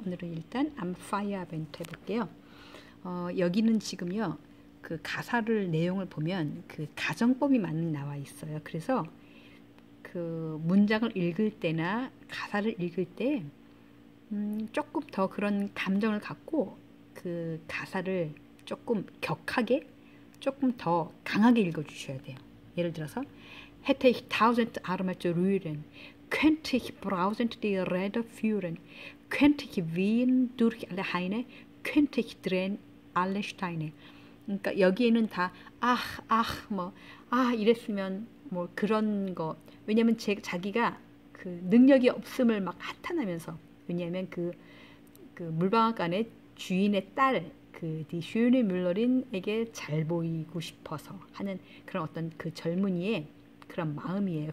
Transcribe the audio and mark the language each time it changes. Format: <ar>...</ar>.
<ko>오늘은 일단</ko> <en>I'm Firebent</en> <ko>해볼게요. 여기는 지금요, 그 가사를 내용을 보면 그 가정법이 많이 나와 있어요. 그래서 그 문장을 읽을 때나 가사를 읽을 때 조금 더 그런 감정을 갖고 그 가사를 조금 격하게, 조금 더 강하게 읽어주셔야 돼요.</ko> <de>예를 들어서, Hätte ich tausend Arme zu rühren, könnte ich brausend die Räder führen, könnte ich wehen durch alle Haine, könnte ich drehen alle Steine.</de> <ko>그러니까 여기에는 다, 아, 아, 뭐, 아, 이랬으면, 뭐, 그런 거. 왜냐면 자기가 그 능력이 없음을 막 한탄하면서, 왜냐면 그 물방앗간의 주인의 딸, 그디 슈니 뮬러린에게 잘 보이고 싶어서 하는 그런 어떤 그 젊은이의 그런 마음이에요.</ko>